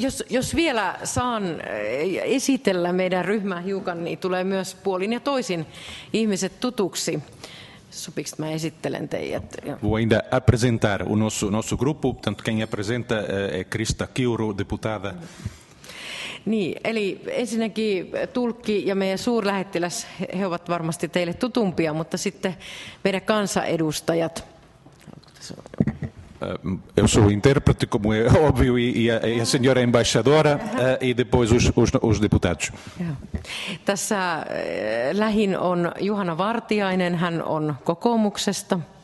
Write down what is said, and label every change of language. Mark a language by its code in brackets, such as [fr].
[fi] Jos vielä saan esitellä meidän ryhmää hiukan, niin tulee myös puolin ja toisin ihmiset tutuksi. Sopiks mä esittelen teidät. [pt] Vou ainda apresentar o nosso grupo, portanto quem apresenta é Krista Kiuru, deputada. [fi] Niin, eli ensinnäkin tulkki ja meidän suurlähettiläs, he ovat varmasti teille tutumpia, mutta sitten meidän kansanedustajat. [pt] Eu sou o intérprete, como é óbvio, e a senhora embaixadora, e depois os deputados. [fi] Tässä lähin on Juhana Vartiainen, hän on kokoomuksesta.